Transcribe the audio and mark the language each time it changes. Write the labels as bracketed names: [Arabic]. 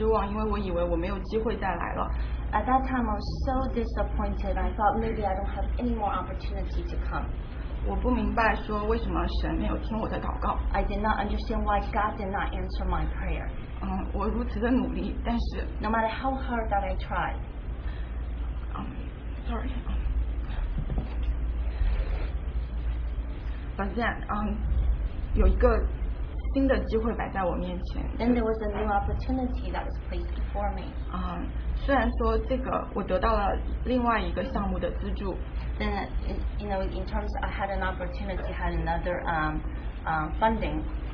[Chinese] 当时我非常失望，因为我以为我没有机会再来了。 [English] At that time, I was so disappointed, I thought maybe I don't have any more opportunity to come. [Chinese] 我不明白说为什么神没有听我的祷告。 [English] I did not understand why God did not answer my prayer. [Chinese] 我如此的努力, 但是, [English] no matter how hard that I tried. Then there was a new opportunity that was placed before me. [Chinese] 虽然说这个我得到了另外一个项目的资助。 [English] Then, you know, in terms I had an opportunity, had another funding.